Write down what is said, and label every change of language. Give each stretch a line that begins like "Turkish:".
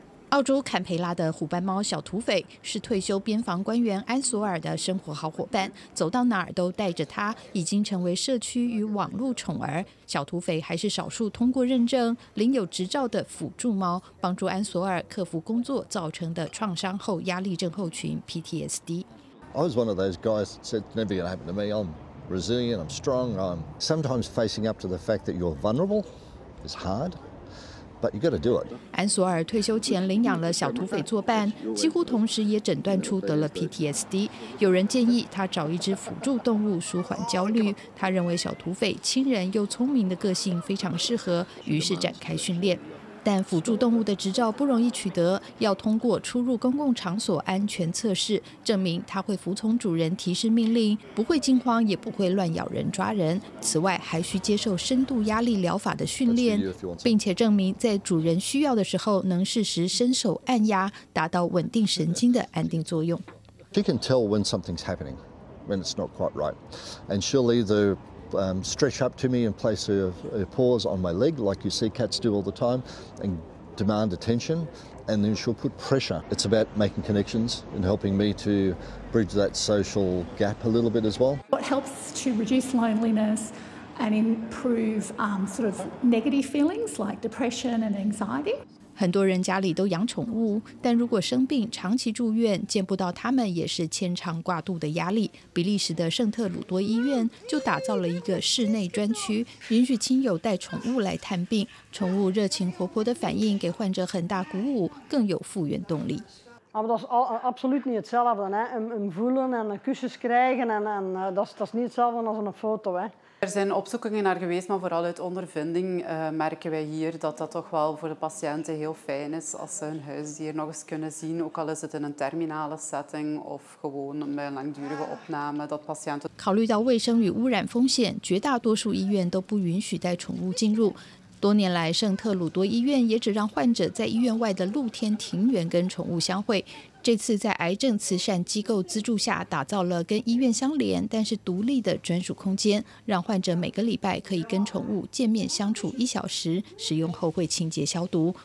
Chinese: 澳洲坎培拉的虎斑猫小土匪是退休边防官员安索尔的生活好伙伴，走到哪儿都带着它，已经成为社区与网络宠儿。小土匪还是少数通过认证、领有执照的辅助猫，帮助安索尔克服工作造成的创伤后压力症候群 PTSD。
English: I was one of those guys that said never gonna happen to me. I'm resilient. I'm strong. I'm sometimes facing up to the fact that you're vulnerable is hard. But you gotta do it.
Chinese: 安索尔退休前领养了小土匪作伴，几乎同时也诊断出得了 PTSD。有人建议他找一只辅助动物舒缓焦虑，他认为小土匪亲人又聪明的个性非常适合，于是展开训练。但辅助动物的执照不容易取得，要通过出入公共场所安全测试，证明它会服从主人提示命令，不会惊慌，也不会乱咬人抓人。此外，还需接受深度压力疗法的训练，并且证明在主人需要的时候能适时伸手按压，达到稳定神经的安定作用。
English: She can tell when something's happening, when it's not quite right, and she'll either. Stretch up to me and place her paws on my leg, like you see cats do all the time, and demand attention, and then she'll put pressure. It's about making connections and helping me to bridge that social gap a little bit as well. What helps to reduce loneliness and improve sort of negative feelings like depression and anxiety?
Chinese: 很多人家里都养宠物，但如果生病长期住院，见不到他们也是牵肠挂肚的压力。比利时的圣特鲁多医院就打造了一个室内专区，允许亲友带宠物来探病。宠物热情活泼的反应给患者很大鼓舞，更有复原动力。
Dutch: Maar dat is absoluut niet hetzelfde, hè? Een voelen en kusjes krijgen en dat is niet hetzelfde als een foto, hè? Er zijn opzoekingen naar geweest, maar vooral uit ondervinding merken wij hier dat dat toch wel voor de patiënten heel fijn is als ze hun huisdier nog eens kunnen zien, ook al is het in een terminale setting of gewoon bij een langdurige opname dat patiënten.
Chinese: 考虑到卫生与污染风险，绝大多数医院都不允许带宠物进入。多年来，圣特鲁多医院也只让患者在医院外的露天庭园跟宠物相会。这次在癌症慈善机构资助下，打造了跟医院相连但是独立的专属空间，让患者每个礼拜可以跟宠物见面相处一小时，使用后会清洁消毒。